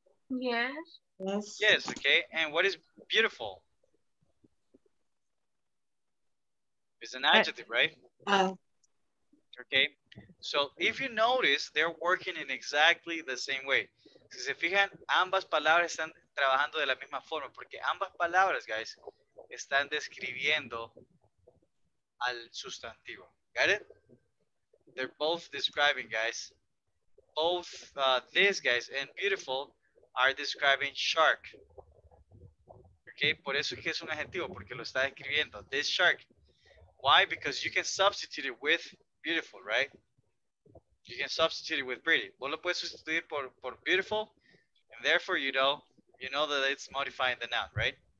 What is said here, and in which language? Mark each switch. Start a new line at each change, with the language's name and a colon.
English: Yes. Yes, okay. And what is beautiful? It's an adjective, right? Okay. So if you notice, they're working in exactly the same way.
Spanish: Si se fijan, ambas palabras están trabajando de la misma forma porque ambas palabras, guys, están describiendo al sustantivo.
English: Got it? They're both describing, guys. Both these guys and beautiful are describing shark. Okay?
Spanish: Por eso es que es un adjetivo, porque lo está describiendo.
English: This shark. Why? Because you can substitute it with beautiful, right? You can substitute it with pretty.
Spanish: Vos lo puedes sustituir por
English: beautiful, and therefore you know that it's modifying the noun, right?